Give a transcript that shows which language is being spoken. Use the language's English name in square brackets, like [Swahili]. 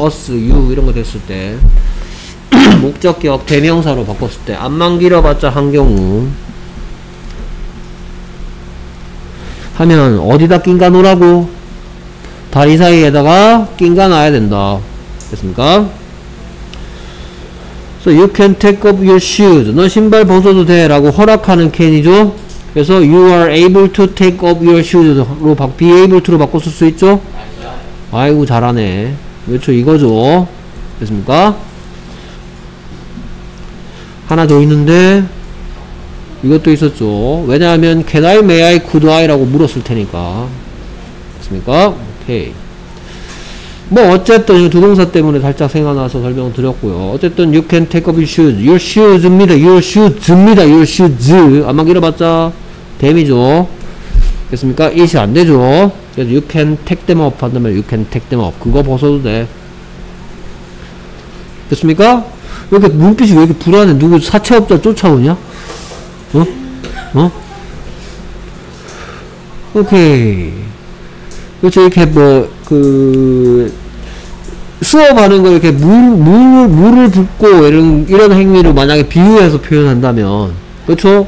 [Korean] us, you 이런 거 됐을 때. 목적격 대명사로 바꿨을 때 앞만 길어봤자 한 경우 하면 어디다 낀가 놓으라고. 다리 사이에다가 낀가 놔야 된다. 됐습니까? [English] So you can take off your shoes. [Korean] 너 신발 벗어도 돼 라고 허락하는 캔이죠. 그래서 [English] you are able to take off your shoes [Korean] 로 be able to 로 바꿨을 수 있죠. 아이고 잘하네. 그렇죠, 이거죠. 됐습니까? 하나 더 있는데 이것도 있었죠. 왜냐하면 [English] Can I, May I, Could I [Korean] 라고 물었을 테니까. 됐습니까? 오케이. 뭐 어쨌든 이 두 동사 때문에 살짝 생각나서 설명을 드렸고요. 어쨌든 [English] You can take off your shoes. Your shoes입니다. Your shoes입니다. [Korean] Your shoes. 아마 길어봤자 됨이죠. 됐습니까? It이 안 되죠. [English] 그래서 You can take them off 한다면 You can take them off. [Korean] 그거 벗어도 돼. 됐습니까? 왜 이렇게 눈빛이 왜 이렇게 불안해? 누구 사채업자 쫓아오냐? 어? 어? 오케이. 그렇죠. 이렇게 뭐, 그, 수업하는 걸 이렇게 물을 붓고 이런 행위를 만약에 비유해서 표현한다면, 그렇죠?